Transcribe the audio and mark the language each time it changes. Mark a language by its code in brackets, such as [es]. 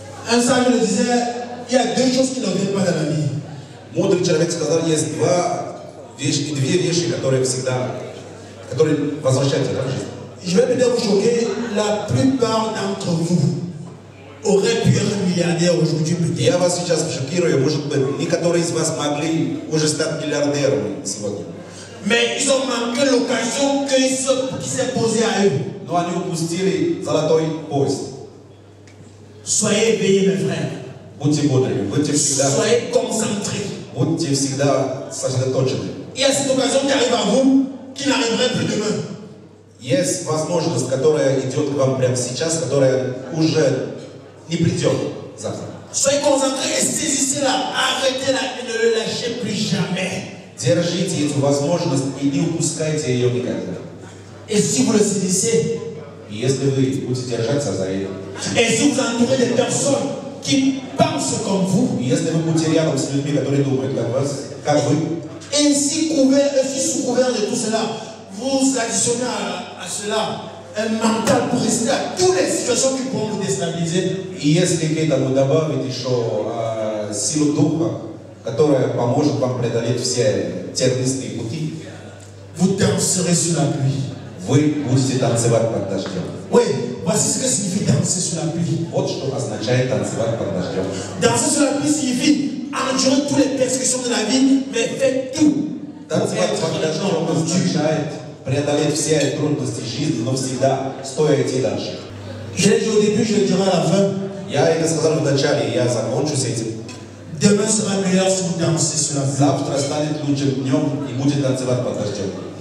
[fr] Un sage le disait, il y a deux choses qui ne viennent pas dans la vie. [ru] Мудрый человек сказал, есть два вещи, две вещи, которые всегда, которые возвращаются в жизнь. [fr] Je vais peut-être vous choquer, la plupart d'entre vous auraient pu être milliardaires aujourd'hui peut-être. [ru] Я вас сейчас шокирую, может быть, некоторые из вас могли уже стать миллиардерами сегодня. [fr] Mais ils ont manqué l'occasion qui s'est posée à eux. nous allons vous tirer dans la toile poste. Soyez éveillés, mes frères. Soyez concentrés. Et à cette occasion qui arrive à vous, qui n'arriverait plus demain. [ru] Yes, возможность, которая идет к вам прямо сейчас, которая уже не придет завтра. [fr] Soyez concentrés et saisissez-la, arrêtez-la et ne le lâchez plus jamais. [ru] Держите эту возможность и не упускайте ее никогда. [fr] Et si vous le saisissez, [ru] если вы будете держаться за ее. [fr] Et si vous entourez des personnes qui pensent comme vous, [ru] если вы будете рядом с людьми, которые думают как вас, как вы, [fr] ainsi couvert, ainsi sous couvert de tout cela, vous additionnez à cela un mental pour résister à toutes les situations qui pourront vous déstabiliser. [ru] И если к этому добавить еще силу духа, которая поможет вам преодолеть все тернистые пути, [fr] vous danserez sous la pluie. [ru] Вы будете танцевать под дождем. [fr] Oui, voici ce que signifie danser sous la pluie. [ru] Вот что означает танцевать под дождем. [fr] Danser sous la pluie signifie endurer toutes les persécutions de la vie, mais faire tout. [ru] Танцевать под дождем означает преодолеть все трудности жизни, но всегда стоя идти дальше. [fr] Je l'ai dit au début, je le dirai à la fin. [ru] Я это сказал в начале, я закончу с этим. [fr] Demain sera meilleur si vous dansez sous la pluie. [ru] Завтра станет лучше днем и будете танцевать под дождем.